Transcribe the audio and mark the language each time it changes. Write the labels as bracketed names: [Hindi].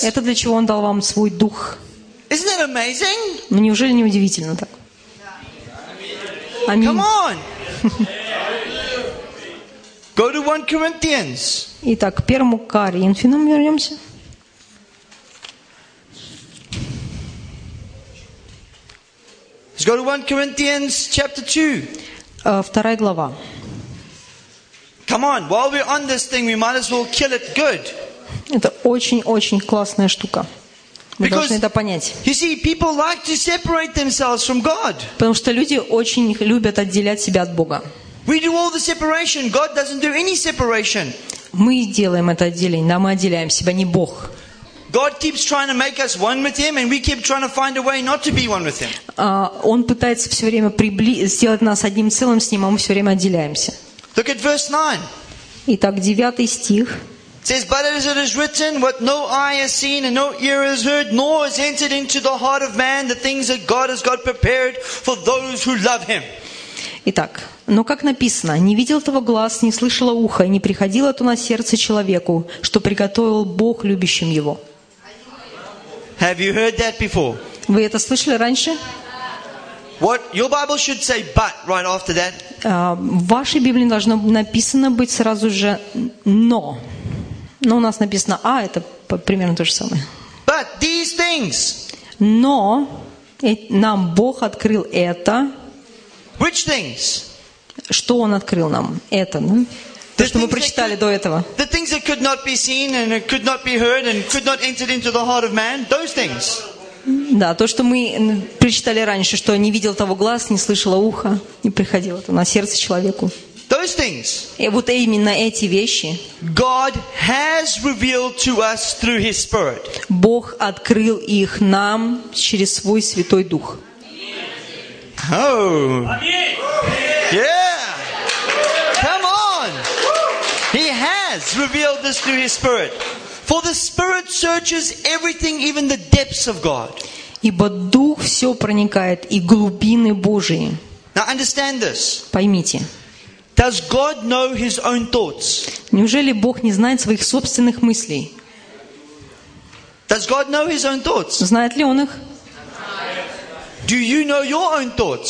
[Russian] Это для чего он дал вам свой дух. [English] Isn't that amazing? [Russian] Ну неужели не удивительно так? [English] Аминь. Come on. Go to 1 Corinthians. [Russian] Итак, к первому Коринфянам вернемся. [English] Let's go to 1 Corinthians chapter 2. [Russian] Вторая глава. [English] Come on, while we're on this thing, we might as well kill it good. [Russian] Это очень-очень классная штука. Мы должны это понять. [English] You see, people like to separate themselves from God. [Russian] Потому что люди очень любят отделять себя от Бога. [English] We do all the separation. God doesn't do any separation. [Russian] Мы делаем это отделение, нам отделяем себя, не Бог. [English] God keeps trying to make us one with Him, and we keep trying to find a way not to be one with Him. [Russian] Он пытается все время сделать нас одним целым с Ним, а мы все время отделяемся. [English] Look at verse 9. [Russian] Итак, 9 стих. [English] It says, "But as it is written, what no eye has seen and no ear has heard, nor has entered into the heart of man, the things that God has got prepared for those who love Him." [Russian] Итак. Но как написано, не видел того глаз, не слышало ухо, и не приходило то на сердце человеку, что приготовил Бог любящим его. [English] Have you heard that before? [Russian] Вы это слышали раньше? [English] What your Bible should say, but right after that. [Russian] В вашей Библии должно написано быть сразу же но. Но у нас написано а, это примерно то же самое. [English] But these things. [Russian] Но нам Бог открыл это. [English] Which things? [Russian] Что Он открыл нам? Это, ну, то, что мы прочитали до этого. [English] The things that could not be seen and could not be heard and could not enter into the heart of man, those things. [Russian] Да, то, что мы прочитали раньше, что не видел того глаз, не слышало ухо, не приходило это на сердце человеку. [English] Those things. [Russian] И вот именно эти вещи. [English] God has revealed to us through His Spirit. [Russian] Бог открыл их нам через Свой Святой Дух. [English] Oh. Yeah. Come on. He has revealed this through His Spirit. For the Spirit searches everything, even the depths of God. [Russian] Ибо Дух все проникает и глубины Божии. [English] Now understand this. [Russian] Поймите. [English] Does God know His own thoughts? [Russian] Неужели Бог не знает своих собственных мыслей? [English] Does God know His own thoughts? [Russian] Знает ли Он их? [English] Do you know your own thoughts?